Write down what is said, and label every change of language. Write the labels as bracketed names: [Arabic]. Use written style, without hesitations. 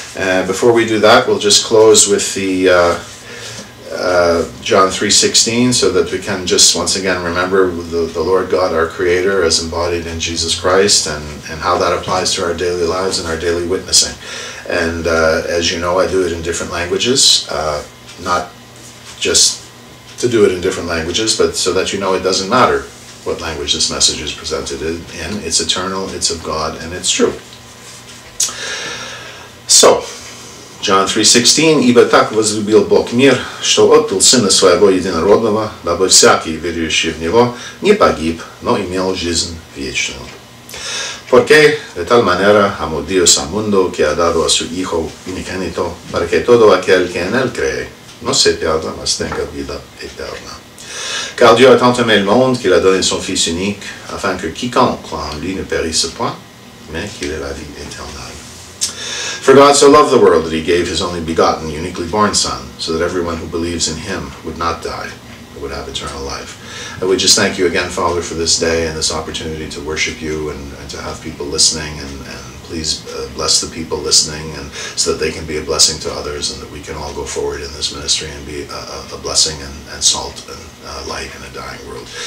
[English] And before we do that, we'll just close with the John 3:16, so that we can just once again remember the Lord God, our Creator, as embodied in Jesus Christ, and how that applies to our daily lives and our daily witnessing. And as you know, I do it in different languages, not just to do it in different languages, but so that you know it doesn't matter what language this message is presented in. It's eternal, it's of God, and it's true. [Russian] So, John 3:16, Ибо так возлюбил Бог мир, что отдал Сына Своего Единородного, дабы всякий, верующий в Него, не погиб, но имел жизнь вечную. [Spanish] Porque de tal manera amó Dios al mundo que ha dado a su Hijo unigénito, para que todo aquel que en él cree no se pierda, mas tenga vida eterna. [French] Car Dieu a tant aimé le monde qu'il a donné son Fils unique, afin que quiconque croit en lui ne périsse point, mais qu'il ait la vie éternelle. [English] For God so loved the world that he gave his only begotten, uniquely born Son, so that everyone who believes in him would not die, but would have eternal life. And we just thank you again, Father, for this day and this opportunity to worship you and to have people listening. And please bless the people listening, and so that they can be a blessing to others, and that we can all go forward in this ministry and be a blessing and salt and light in a dying world.